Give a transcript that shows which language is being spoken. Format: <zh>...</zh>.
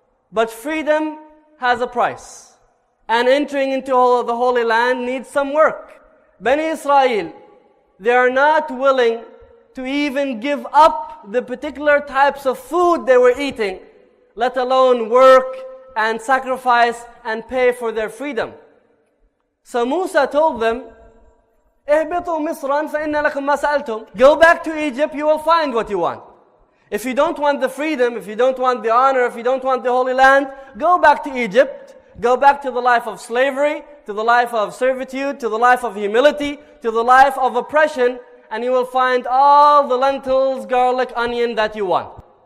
<en>But freedom has a price, and entering into the holy land needs some work. Bani Israel, they are not willing to even give up the particular types of food they were eating, let alone work and sacrifice and pay for their freedom. So Musa told them,</en> <ar>اهبطوا مصرا فإن لكم ما سألتم.</ar> <en>Go back to Egypt, you will find what you want. If you don't want the freedom, if you don't want the honor, if you don't want the holy land, go back to Egypt, go back to the life of slavery, to the life of servitude, to the life of humility, to the life of oppression, and you will find all the lentils, garlic, onion that you want.</en>